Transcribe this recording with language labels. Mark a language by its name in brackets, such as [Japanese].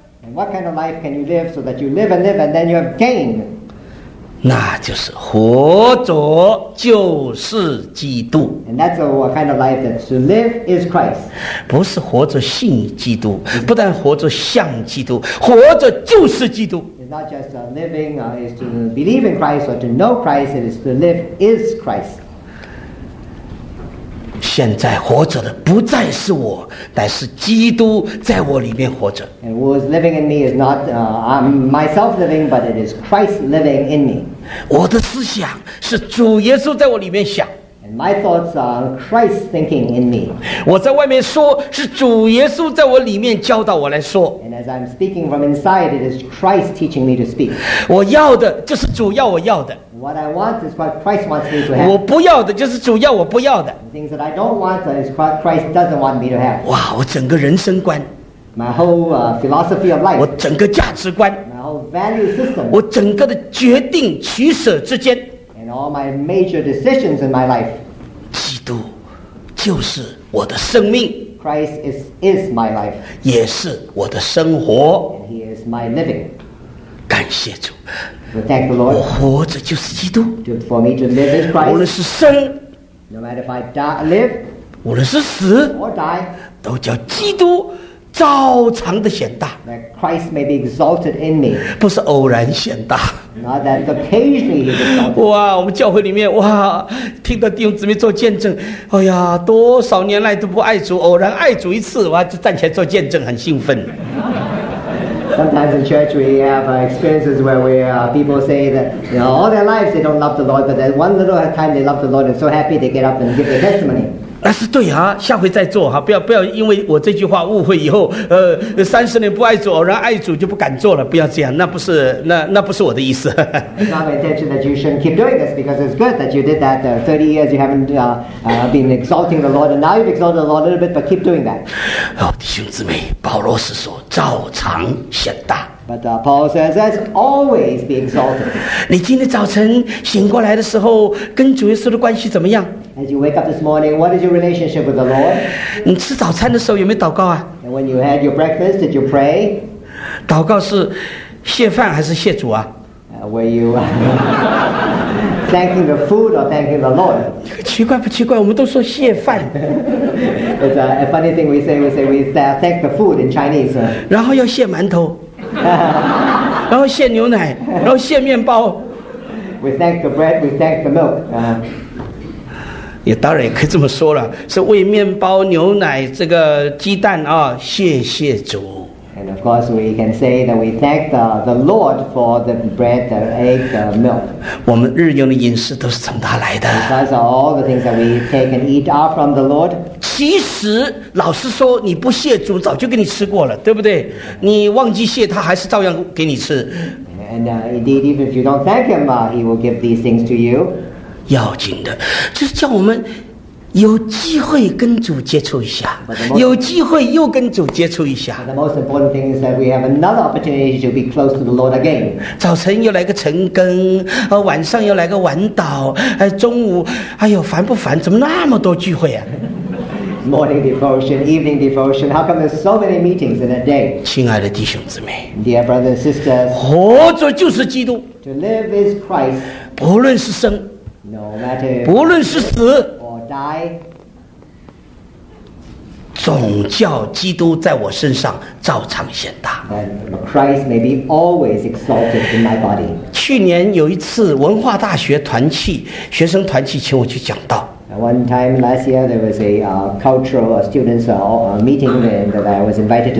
[English] And what kind of life can you live so that you live and live and then you have gain? [Chinese] 那就是活着就是基督。 [English] And that's what kind of life that to live is Christ. [Chinese] 不是活着信基督，不但活着像基督，活着就是基督。 [English] Not just living is to believe in Christ or to know Christ. It is to live is Christ. [Chinese] 现在活着的不再是我，乃是基督在我里面活着。 [English] And what is living in me is not myself living, but it is Christ living in me. [Chinese] 我的思想是主耶稣在我里面想。 [English] And my thoughts are Christ thinking in me. [Chinese] 我在外面说，是主耶稣在我里面教导我来说。 [English] As I'm speaking from inside, it is Christ teaching me to speak. [Chinese] 我要的就是主要我要的。 [English] What I want is what Christ wants me to have. [Chinese] 我不要的就是主要我不要的。 [English] The things that I don't want is what Christ doesn't want me to have. [Chinese] 哇，我整个人生观。 [English] My whole philosophy of life. [Chinese] 我整个价值观。 [English] My whole value system. [Chinese] 我整个的决定取舍之间。 [English] And all my major decisions in my life. [Chinese] 基督就是我的生命。 [English] Christ is my life. [Chinese] 也是我的生活。 [English] And he is my living. [Chinese] 感谢主。 [English] So thank the Lord. [Chinese] 我活着就是基督。 [English] For me to live is Christ. [Chinese] 无论是生。 [English] No matter if I live. [Chinese] 无论是死 [English] or die, [Chinese] 都叫基督照常的显大。 [English] That Christ may be exalted in me. [Chinese] 不是偶然显大。 [English] Not that occasionally he's exalted. [Chinese] 哇，我们教会里面哇，听到弟兄姊妹做见证，哎呀，多少年来都不爱主，偶然爱主一次，哇，就站起来做见证，很兴奋。 [English] Sometimes in church we have experiences where we people say that you know, all their lives they don't love the Lord, but that one little time they love the Lord and so happy they get up and give their testimony. [Chinese] 那是对啊，下回再做哈，不要因为我这句话误会以后，三十年不爱主，偶然爱主就不敢做了，不要这样，那不是我的意思。 [English] It's not intention that you shouldn't keep doing this because it's good that you did that. 30 years you haven't been exalting the Lord, and now you've exalted the Lord a little bit, but keep doing that. [Chinese] 哦，弟兄姊妹，保罗是说照常显大。 [English] But Paul says, as always, be exalted. [Chinese] 你今天早晨醒过来的时候，跟主耶稣的关系怎么样？ [English] As you wake up this morning, what is your relationship with the Lord? [Chinese] 你吃早餐的时候有没有祷告啊？ [English] And when you had your breakfast, did you pray? [Chinese] 祷告是谢饭还是谢主啊？ [English] Were you thanking the food or thanking the Lord? [Chinese] 奇怪不奇怪？我们都说谢饭。 [English] It's a funny thing we say. We say thank the food in Chinese. [Chinese] 然后要谢馒头，然后谢牛奶，然后谢面包。 [English] We thank the bread. We thank the milk. [Chinese] 也当然也可以这么说了，是为面包、牛奶、这个鸡蛋啊，谢谢主。 [English] And of course, we can say that we thank the Lord for the bread, the egg, the milk. [Chinese] 我们日用的饮食都是从他来的。 [English] Because of all the things that we take and eat are from the Lord. [Chinese] 其实，老实说，你不谢主，早就给你吃过了，对不对？你忘记谢他，还是照样给你吃。 [English] And indeed, even if you don't thank him, he will give these things to you. [Chinese] 要紧的就是叫我们有机会跟主接触一下，有机会又跟主接触一下。 [English] The most important thing is that we have another opportunity to be close to the Lord again. [Chinese] 早晨又来个晨更，晚上又来个晚祷，中午，哎呦，烦不烦？怎么那么多聚会啊？ [English] Morning devotion, evening devotion. How come there's so many meetings in a day? [Chinese] 亲爱的弟兄姊妹 [English] ，Dear brothers and sisters, [Chinese] 活着就是基督。 [English] To live is Christ. [Chinese] 不论是生。不论是死 [English] or die, [Chinese] 总叫基督在我身上照常显大。 [English] Christ may be always exalted in my body. [Chinese] 去年有一次文化大学团契，学生团契请我去讲道。 [English] One time last year there was a cultural students meeting that I was invited to.